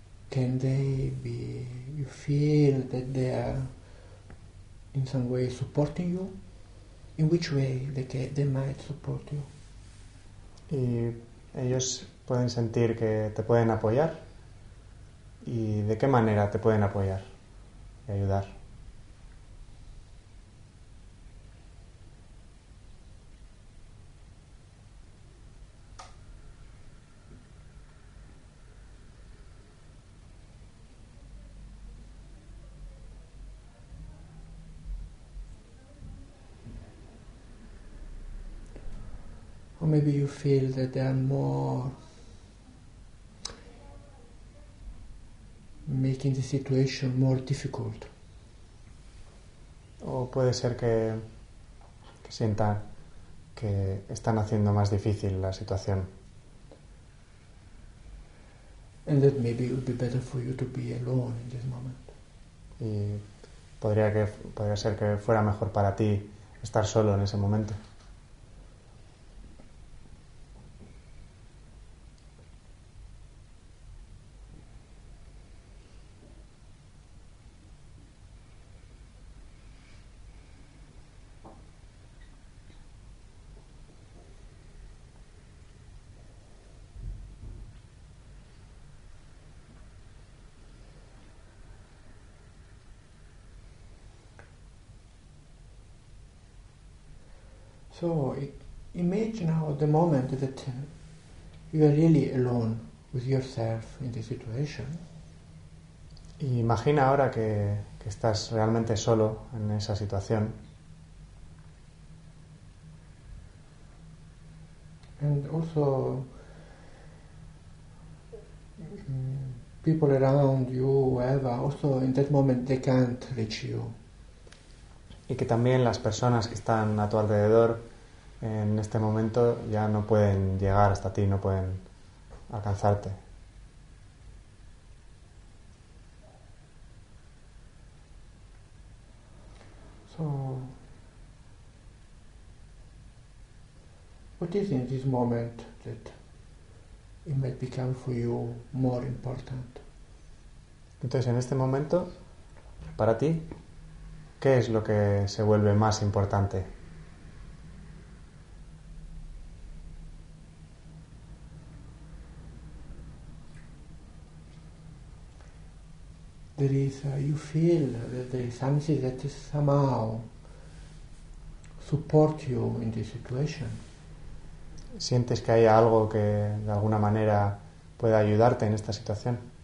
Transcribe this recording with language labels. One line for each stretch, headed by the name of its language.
English: Can they be, you feel that they are in some way supporting you? In which way they might support you?
Spanish: ¿Y ellos pueden sentir que te pueden apoyar? ¿Y de qué manera te pueden apoyar y ayudar?
English: Or maybe you feel that they are more making the situation more difficult.
Spanish: O puede ser que sienta que están haciendo más difícil la situación.
English: And that maybe it would be better for you to be alone in this moment.
Spanish: Y podría ser que fuera mejor para ti estar solo en ese momento.
English: So imagine now the moment that you are really alone with yourself in this situation.
Spanish: Imagina ahora que estás realmente solo en esa situación.
English: And also people around you, whoever, also in that moment they can't reach you.
Spanish: Y que también las personas que están a tu alrededor en este momento ya no pueden llegar hasta ti, no pueden alcanzarte.
English: So, what is in this moment that it might become for you more important?
Spanish: Entonces, en este momento, para ti, ¿qué es lo que se vuelve más importante?
English: There is, you feel that there is something that is somehow support you in this situation.
Spanish: ¿Sientes que hay algo que de alguna manera pueda ayudarte en esta situación?